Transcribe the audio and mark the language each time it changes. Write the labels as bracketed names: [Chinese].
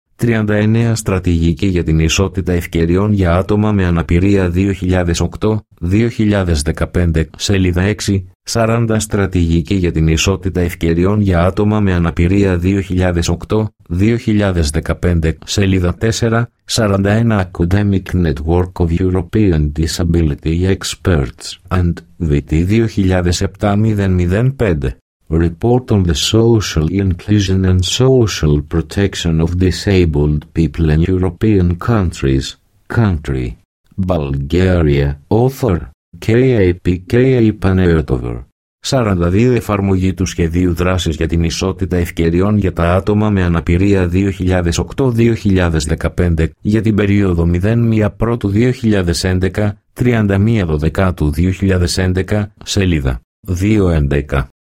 [Greek] 39 στρατηγική για την ισότητα ευκαιριών για άτομα με αναπηρία 2008-2015, σελίδα 6, 40 στρατηγική για την ισότητα ευκαιριών για άτομα με αναπηρία 2008-2015, σελίδα 4, 41 [English] Academic Network of European Disability Experts and VT 2007-005. Report on the Social Inclusion and Social Protection of Disabled People in European Countries, Country, Bulgaria, Author, K.A.P.K.A. Panayotover. [Greek] 42 Εφαρμογή του Σχεδίου Δράσης για την Ισότητα Ευκαιριών για τα Άτομα με Αναπηρία 2008-2015 για την περίοδο 01-01-2011, 31-12-2011, σελίδα 211.